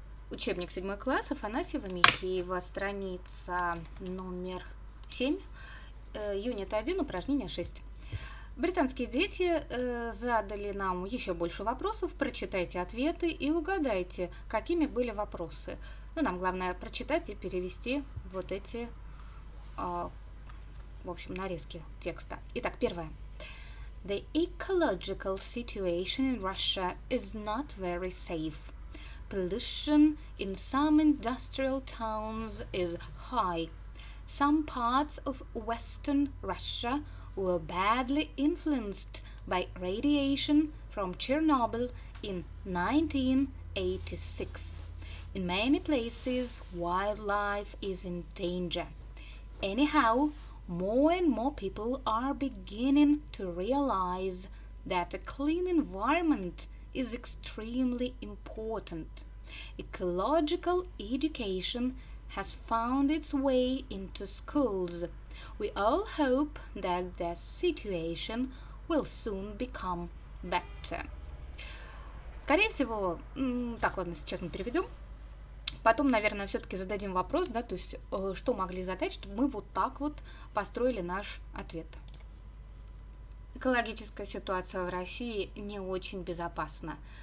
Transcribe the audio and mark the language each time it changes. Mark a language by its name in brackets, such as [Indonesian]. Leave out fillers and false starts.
[Russian] учебник 7 класс Афанасьева Михеева, страница номер 7, юнит 1, упражнение 6. Британские дети задали нам еще больше вопросов. Прочитайте ответы и угадайте, какими были вопросы. Ну, нам главное прочитать и перевести вот эти, в общем, нарезки текста. Итак, первое. [English] The ecological situation in Russia is not very safe. Pollution in some industrial towns is high. Some parts of Western Russia were badly influenced by radiation from Chernobyl in 1986. In many places, wildlife is in danger. Anyhow, more and more people are beginning to realize that a clean environment is extremely important. Ecological education has found its way into schools. We all hope that the situation will soon become better. [Russian] Скорее всего, так, ладно, сейчас мы переведем. Потом, наверное, все-таки зададим вопрос, да, то есть, что могли задать, чтобы мы вот так вот построили наш ответ. Экологическая ситуация в России не очень безопасна.